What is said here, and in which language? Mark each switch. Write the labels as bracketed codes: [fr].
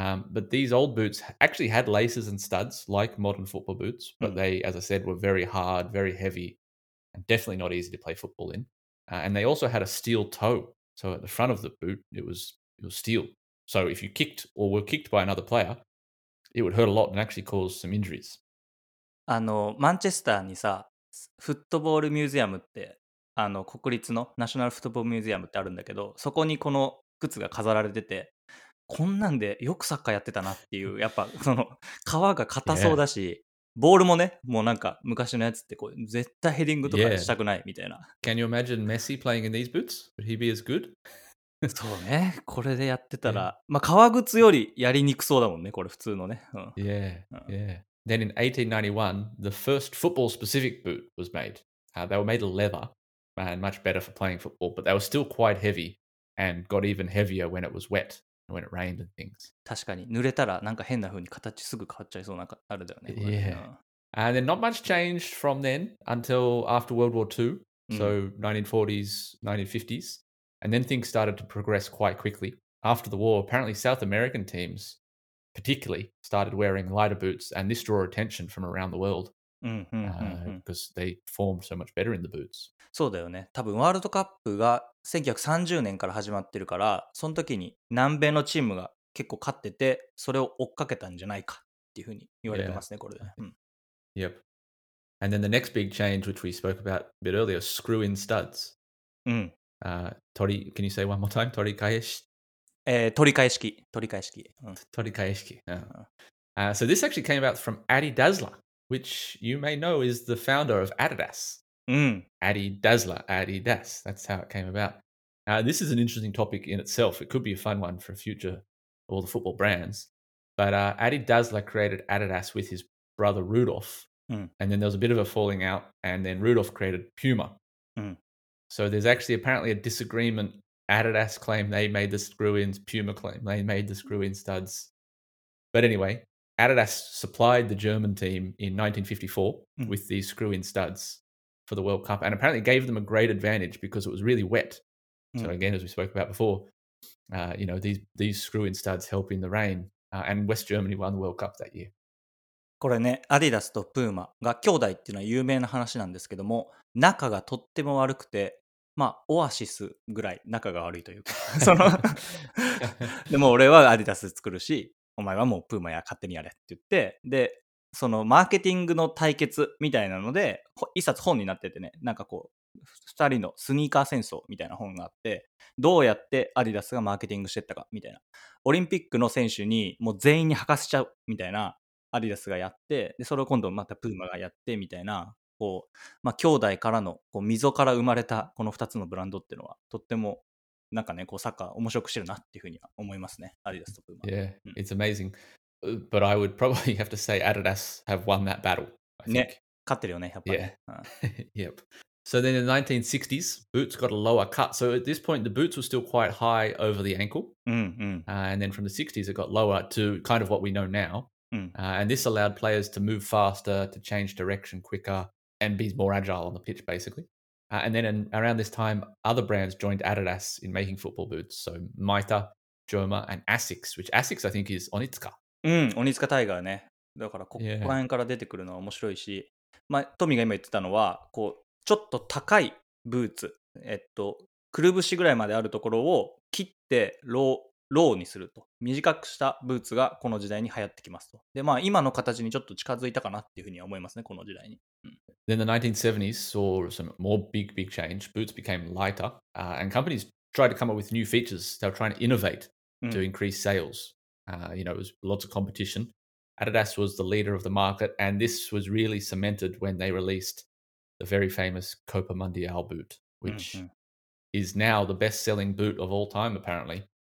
[en] But these old boots actually had laces and studs like modern football boots, but they, as I said, were very hard, very heavy, and definitely not easy to play football in. And they also had a steel toe. So at the front of the boot, it was steel. So if you kicked or were kicked by another player, it would hurt a lot and actually cause some injuries. [ja] あの、マンチェスターにさ、フットボールミュージアムって、あの国立のナショナルフットボールミュージアムってあるんだけど、そこにこの靴が飾られてて、こんなんでよくサッカーやってたなっていう、やっぱその革が硬そうだし、ボールもね、もうなんか昔のやつってこう絶対ヘディングとかしたくないみたいな。 [en] Can you imagine Messi playing in these boots? Would he be as good? [ja] そうね、これでやってたら、まあ革靴よりやりにくそうだもんね、これ普通のね。 [en] Yeah, yeah. Then in 1891, the first football specific boot was made. They were made of leather. And much better for playing football, but they were still quite heavy and got even heavier when it was wet, when it rained and things. [ja] 確かに濡れたらなんか変な風に形すぐ変わっちゃいそうなんかあるだよね。 [en] Yeah. And then not much changed from then until after World War II, so 1940s, 1950s. And then things started to progress quite quickly. After the war, apparently South American teams particularly started wearing lighter boots, and this drew attention from around the world. Because they performed so much better in the boots. [ja] そうだよね。多分ワールドカップが1930年から始まってるから、その時に南米のチームが結構勝ってて、それを追っかけたんじゃないかっていうふうに言われてますね、これで。 [en] Yep. And then the next big change, which we spoke about a bit earlier, screw-in studs. Tori, can you say one more time? [ja] 取り返し。取り返し機。取り返し機。取り返し機。 [en] So this actually came about from Adi Dazzler. Which you may know is the founder of Adidas. Adi Dazzler, Adidas. That's how it came about. This is an interesting topic in itself. It could be a fun one for future, all the football brands. But Adi Dazzler created Adidas with his brother Rudolf. And then there was a bit of a falling out. And then Rudolf created Puma. So there's actually apparently a disagreement. Adidas claim they made the screw-ins. Puma claim they made the screw-in studs. But anyway... Adidas supplied the German team in 1954 with these screw-in studs for the World Cup and apparently gave them a great advantage because it was really wet. So again, as we spoke about before, you know, these screw-in studs help in the rain and West Germany won the World Cup that year. [ja] これね、Adidas と Puma が兄弟っていうのは有名な話なんですけども、仲がとっても悪くて、まあ、オアシスぐらい仲が悪いというか、その、でも俺はAdidas作るし、お前はもうプーマや勝手にやれって言って、で、そのマーケティングの対決みたいなので一冊本になっててね、なんかこう2人のスニーカー戦争みたいな本があって、どうやってアディダスがマーケティングしてったかみたいな、オリンピックの選手にもう全員に履かせちゃうみたいな、アディダスがやって、でそれを今度またプーマがやってみたいな、こう、まあ、兄弟からのこう溝から生まれたこの2つのブランドっていうのはとってもなんかね、こうサッカー面白くしてるなっていうふうには思いますね、アディダスとプーマ。 [en] Yeah, it's amazing. But I would probably have to say Adidas have won that battle, I think. [ja] ね、勝ってるよね、やっぱり。 [en] Yeah. Yep. So then in the 1960s, boots got a lower cut. So at this point, the boots were still quite high over the ankle. And then from the 60s, it got lower to kind of what we know now. And this allowed players to move faster, to change direction quicker, and be more agile on the pitch, basically. And then in, around this time, other brands joined Adidas in making football boots. So Mita, Joma, and Asics, which Asics, I think, is Onitsuka. [ja] Onitsuka Tiger, ね。だからここら辺から出てくるのは面白いし、まあ、トミーが今言ってたのは、こう、ちょっと高いブーツ、くるぶしぐらいまであるところを切ってローにすると、短くしたブーツがこの時代に流行ってきますと。で、まあ今の形にちょっと近づいたかなっていうふうには思いますね、この時代に。 [en] Then the 1970s saw some more big change. Boots became lighter, and companies tried to come up with new features. They were trying to innovate to increase sales. You know, it was lots of competition. Adidas was the leader of the market, and this was really cemented when they released the very famous Copa Mundial boot, which is now the best-selling boot of all time, apparently.